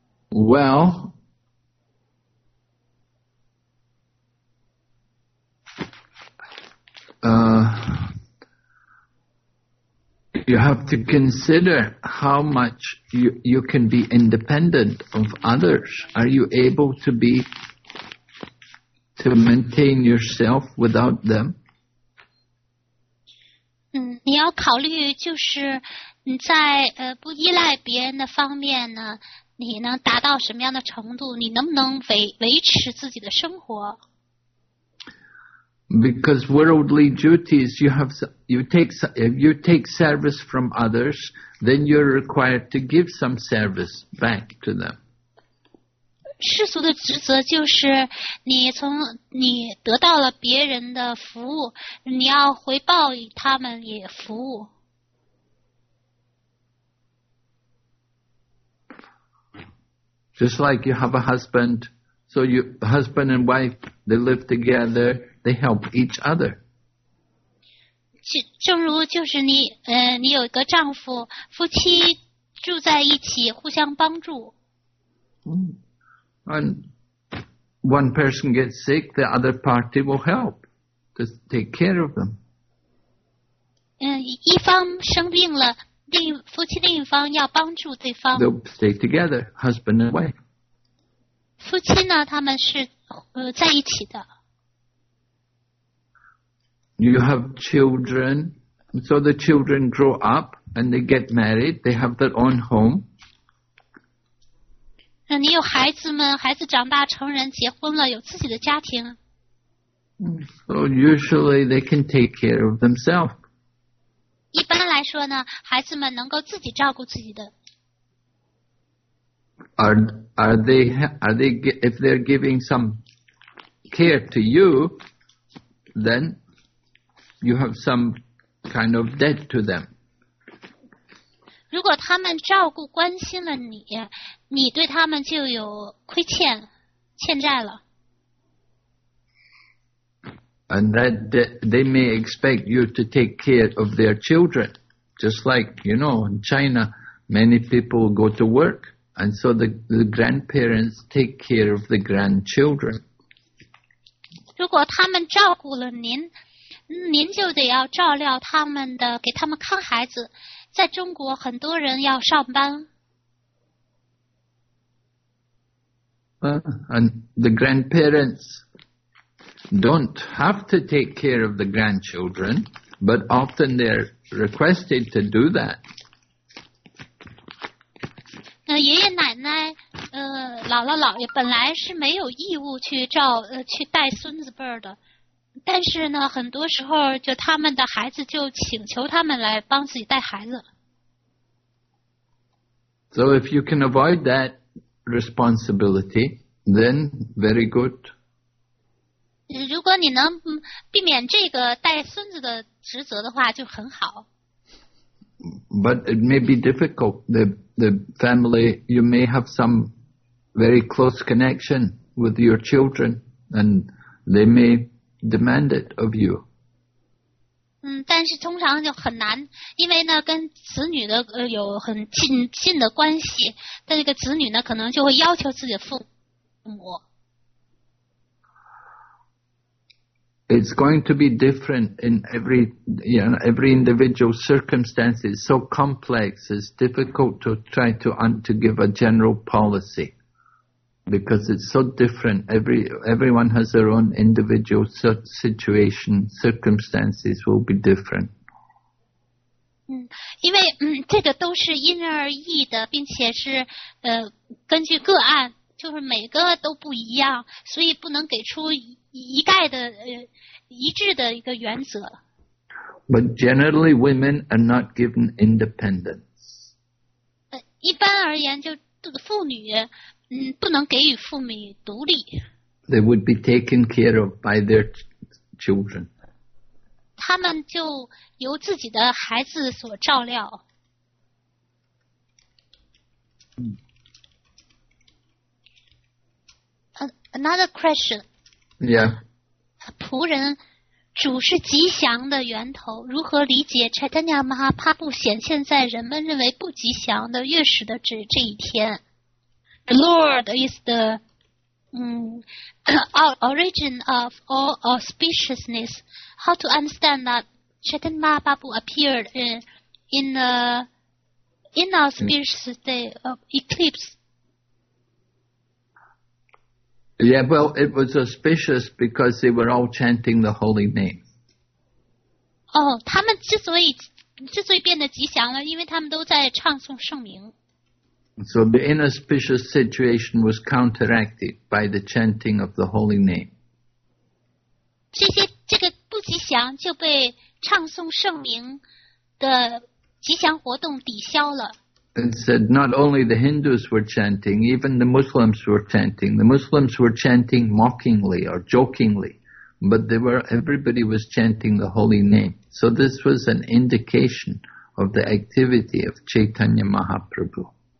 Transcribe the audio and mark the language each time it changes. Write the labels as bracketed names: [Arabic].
[English] Well, you have to consider how much you can be independent of others. Are you able to maintain yourself without them? [Chinese] 你要考虑就是你在不依赖别人的方面呢，你能达到什么样的程度？你能不能维持自己的生活？ [English] Because worldly duties, if you take service from others, then you're required to give some service back to them. [Chinese] 世俗的职责就是你得到了别人的服务，你要回报他们也服务。 [English] Just like you have a husband, so you husband and wife, they live together. They help each other. [Chinese] 正如就是你有一个丈夫，夫妻住在一起，互相帮助。 [English] And one person gets sick, the other party will help to take care of them. [Chinese] 一方生病了，夫妻另一方要帮助对方。 [English] They'll stay together, husband and wife. [Chinese] 夫妻呢，他们是在一起的。 [English] You have children, so the children grow up and they get married. They have their own home. [Chinese] 你有孩子们，孩子长大成人，结婚了，有自己的家庭。 [English] So usually they can take care of themselves. [Chinese] 一般来说呢，孩子们能够自己照顾自己的。 [English] Are they if they're giving some care to you, then. You have some kind of debt to them. [Chinese] 如果他们照顾关心了你，你对他们就有亏欠，欠债了。 [English] And that they may expect you to take care of their children. Just like, you know, in China, many people go to work. And so the grandparents take care of the grandchildren. [Chinese] 如果他们照顾了您，您就得要照料他们的，给他们看孩子。在中国，很多人要上班。 [English] And the grandparents don't have to take care of the grandchildren, but often they're requested to do that. [Chinese] 爷爷奶奶，姥姥姥爷本来是没有义务去照去带孙子辈的，但是呢，很多时候就他们的孩子就请求他们来帮自己带孩子。 [English] So if you can avoid that responsibility, then very good. [Chinese] 如果你能避免这个带孙子的职责的话，就很好。 [English] But it may be difficult. The family, you may have some very close connection with your children, and they may demand it of you. [Chinese] 但是通常就很难，因为呢跟子女的有很近的关系，但这个子女呢可能就会要求自己的父母。 [English] It's going to be different in every individual circumstance. It's so complex, it's difficult to try to give a general policy because it's so different. Everyone has their own individual situation, circumstances will be different. [Chinese] 因为这个都是因人而异的，并且是根据个案，就是每个都不一样，所以不能给出一概的一致的一个原则。 [English] But generally, women are not given independence. [Chinese] 一般而言，就妇女不能给予妇女独立。 [English] They would be taken care of by their children. [Chinese] 他们就由自己的孩子所照料。 [English] Another question. Yeah. [Chinese] 仆人，主是吉祥的源头，如何理解 Chaitanya Mahaprabhu 显现在人们认为不吉祥的月食的这一天？ [English] The Lord is the origin of all auspiciousness. How to understand that Chaitanya Mahaprabhu appeared in the inauspicious day of eclipse? Yeah, well, it was auspicious because they were all chanting the holy name. [Chinese] Oh, 他们之所以变得吉祥了，因为他们都在唱诵圣名。 [English] So the inauspicious situation was counteracted by the chanting of the holy name. [Chinese] 这个不吉祥就被唱诵圣名的吉祥活动抵消了。 [English] And said not only the Hindus were chanting, even the Muslims were chanting. The Muslims were chanting mockingly or jokingly, but everybody was chanting the holy name. So this was an indication of the activity of Chaitanya Mahaprabhu.